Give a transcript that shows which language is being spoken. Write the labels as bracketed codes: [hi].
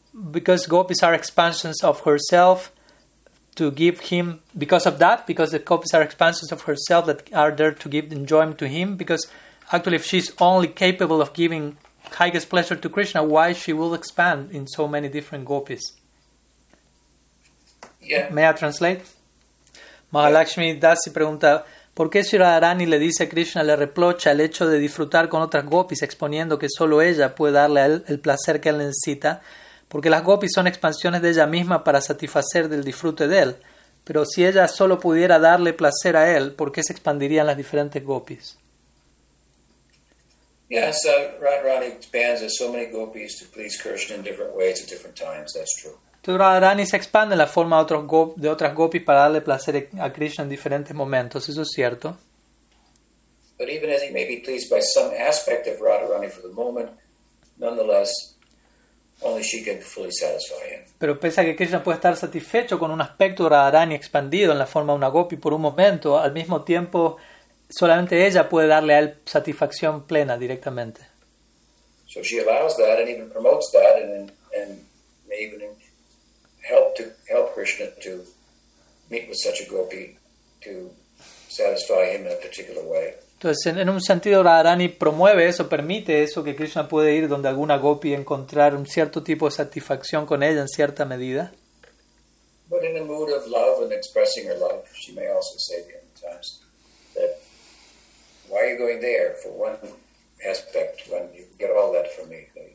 [en] because gopis are expansions of herself, to give him, because of that, because the gopis are expansions of herself that are there to give enjoyment to him, because actually if she's only capable of giving highest pleasure to Krishna, why she will expand in so many different gopis? Yeah. May I translate? [es] Mahalakshmi Dasi pregunta, ¿por qué si Radharani le dice a Krishna, le reprocha el hecho de disfrutar con otras gopis, exponiendo que solo ella puede darle a él el placer que él necesita? Porque las gopis son expansiones de ella misma para satisfacer del disfrute de él. Pero si ella solo pudiera darle placer a él, ¿por qué se expandirían las diferentes gopis? [en] Yeah, so Radharani expands so many gopis to please Krishna in different ways at different times, that's true. [es] Entonces Radharani se expande en la forma de, otros de otras gopis para darle placer a Krishna en diferentes momentos, eso es cierto. [en] But even as he may be pleased by some aspect of Radharani for the moment, nonetheless, only she can fully satisfy him. [es] Pero pese a que Krishna puede estar satisfecho con un aspecto de Radharani expandido en la forma de una gopi por un momento, al mismo tiempo solamente ella puede darle a él satisfacción plena directamente. [en] So she allows that and even promotes that and may even help Krishna to meet with such a gopi to satisfy him in a particular way. [es] Entonces, en un sentido, Radharani promueve eso, permite eso, que Krishna puede ir donde alguna gopi y encontrar un cierto tipo de satisfacción con ella en cierta medida. [en] But in the mood of love and expressing her love, she may also say many times that why are you going there for one aspect when you get all that from me?